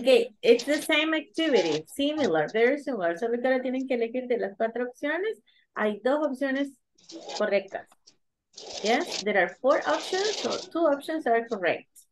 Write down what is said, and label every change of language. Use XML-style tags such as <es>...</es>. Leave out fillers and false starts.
<en>Okay, it's the same activity, similar, very similar.</en> <es>Solo que ahora tienen que elegir de las 4 opciones, hay 2 opciones correctas.</es> <en>Yes, there are 4 options, so 2 options are correct.</en>